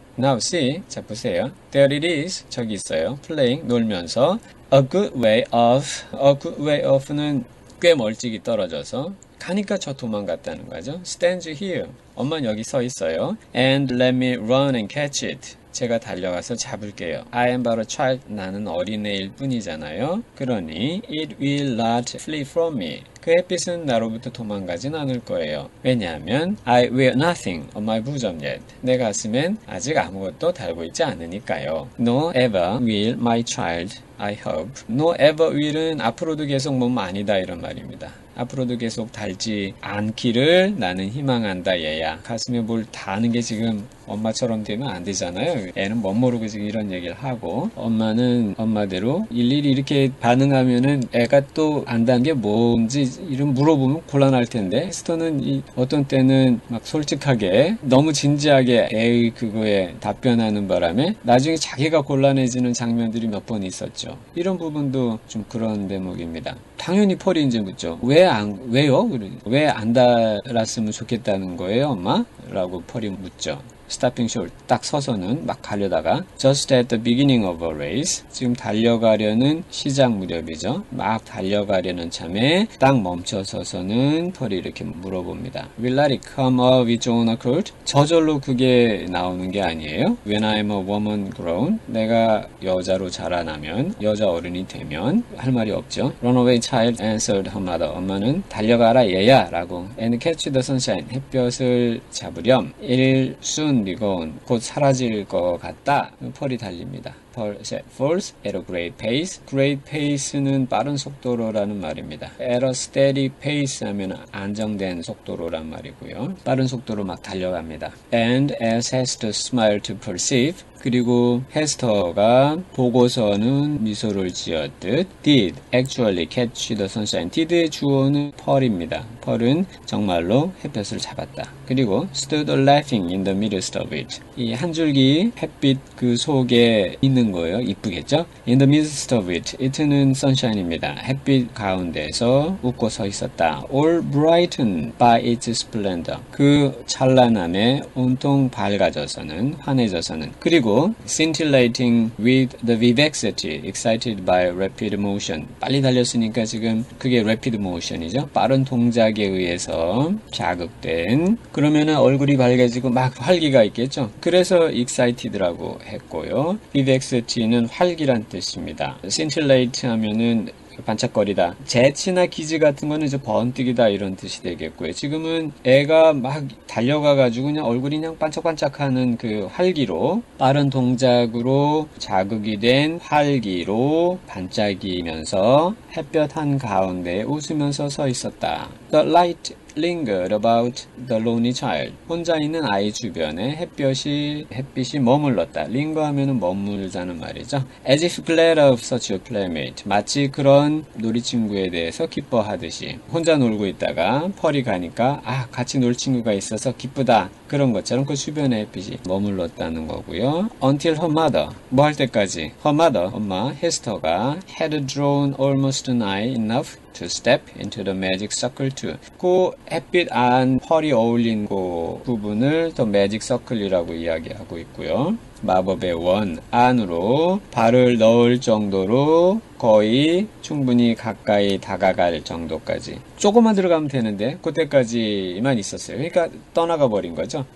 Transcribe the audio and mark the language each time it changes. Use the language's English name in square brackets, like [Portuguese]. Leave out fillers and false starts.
[English] Now see, [Korean] 자, 보세요. [English] There it is. [Korean] 저기 있어요. [English] Playing, [Korean] 놀면서. [English] A good way off는 [Korean] 꽤 멀찍이 떨어져서. 가니까 저 도망갔다는 거죠. [English] Stands here. [Korean] 엄마는 여기 서 있어요. [English] And let me run and catch it. [Korean] 제가 달려가서 잡을게요. [English] I am but a child. [Korean] 나는 어린애일 뿐이잖아요. 그러니 [English] it will not flee from me. [Korean] 그 햇빛은 나로부터 도망가진 않을 거예요. 왜냐하면 [English] I wear nothing on my bosom yet. [Korean] 내 가슴엔 아직 아무것도 달고 있지 않으니까요. [English] Nor ever will my child, I hope. Nor ever will은 [Korean] 앞으로도 계속 몸 아니다 이런 말입니다. 앞으로도 계속 달지 않기를 나는 희망한다, 얘야. 가슴에 뭘 다는 게 지금 엄마처럼 되면 안 되잖아요. 애는 멋 모르고 지금 이런 얘기를 하고, 엄마는 엄마대로 일일이 이렇게 반응하면은 애가 또 안다는 게 뭔지 이런 물어보면 곤란할 텐데, 헤스터는 어떤 때는 막 솔직하게 너무 진지하게 애의 그거에 답변하는 바람에 나중에 자기가 곤란해지는 장면들이 몇번 있었죠. 이런 부분도 좀 그런 대목입니다. 당연히 펄인지 묻죠. 왜요? 왜안 달았으면 좋겠다는 거예요, 엄마? 라고 펄이 묻죠. [English] Stopping short. [Korean] 딱 서서는 막 가려다가 [English] Just at the beginning of a race. [Korean] 지금 달려가려는 시작 무렵이죠. 막 달려가려는 참에 딱 멈춰 서서는 펄이 이렇게 물어봅니다. [English] Will I come of its own accord? [Korean] 저절로 그게 나오는 게 아니에요. [English] When I'm a woman grown. [Korean] 내가 여자로 자라나면, 여자 어른이 되면 할 말이 없죠. [English] Runaway child answered her mother. [Korean] 엄마는 달려가라 얘야 라고. [English] And catch the sunshine. [Korean] 햇볕을 잡으렴. [English] It'll soon [Korean] 이건 곧 사라질 것 같다. 펄이 달립니다. [English] Pearl set forth at a great pace. [Korean] Great pace는 빠른 속도로라는 말입니다. [English] At a steady pace [Korean] 하면 안정된 속도로란 말이고요. 빠른 속도로 막 달려갑니다. [English] And as Hester smiled to perceive. [Korean] 그리고 헤스터가 보고서는 미소를 지었듯 [English] did actually catch the sunshine. [Korean] did의 주어는 펄입니다. 펄은 정말로 햇볕을 잡았다. 그리고 [English] stood laughing in the midst of it. [Korean] 이한 줄기 햇빛 그 속에 있는 거예요. 이쁘겠죠? [English] In the midst of it. [Korean] it는 sunshine입니다. 햇빛 가운데서 웃고 서 있었다. [English] All brightened by its splendor. [Korean] 그 찬란함에 온통 밝아져서는, 환해져서는. [English] 그리고 scintillating with the vivacity excited by rapid motion. [Korean] 빨리 달렸으니까 지금 그게 rapid motion이죠. 빠른 동작에 의해서 자극된. 그러면은 얼굴이 밝아지고 막 활기가 있겠죠. 그래서 excited라고 했고요. vivacity는 활기란 뜻입니다. scintillate 하면은 반짝거리다. 재치나 기지 같은 거는 이제 번뜩이다 이런 뜻이 되겠고요. 지금은 애가 막 달려가가지고 그냥 얼굴이 그냥 반짝반짝하는 그 활기로, 빠른 동작으로 자극이 된 활기로 반짝이면서 햇볕 한가운데 웃으면서 서 있었다. [English] The light lingered about the lonely child. [Korean] 혼자 있는 아이 주변에 햇빛이 머물렀다. linger 하면은 머물자는 말이죠. [English] As if glad of such a playmate. [Korean] 마치 그런 놀이 친구에 대해서 기뻐하듯이. 혼자 놀고 있다가 펄이 가니까 아, 같이 놀 친구가 있어서 기쁘다. 그런 것처럼 그 주변에 햇빛이 머물렀다는 거고요. [English] Until her mother. [Korean] 뭐할 때까지? [English] her mother. [Korean] 엄마 헤스터가 [English] had drawn almost an eye enough to step into the magic circle too. [Korean] 그 햇빛 안 펄이 어울린 그 부분을 더 매직 서클이라고 이야기하고 있고요. 마법의 원 안으로 발을 넣을 정도로 거의 충분히 가까이 다가갈 정도까지. 조금만 들어가면 되는데 그때까지만 있었어요. 그러니까 떠나가 버린 거죠.